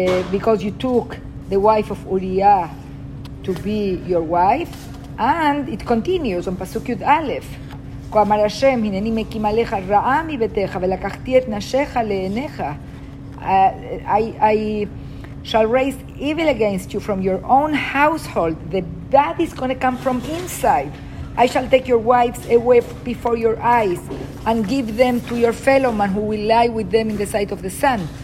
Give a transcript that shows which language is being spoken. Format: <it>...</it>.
<en>Because you took the wife of Uriah to be your wife, and it continues on Pasuk Yud Aleph.</en> <he>כאמר השם, הנני מקים עליך רעה מביתך, ולקחתי את נשיך לעיניך.</he> <en>I shall raise evil against you from your own household. The bad is going to come from inside. I shall take your wives away before your eyes and give them to your fellow man who will lie with them in the sight of the sun.</en>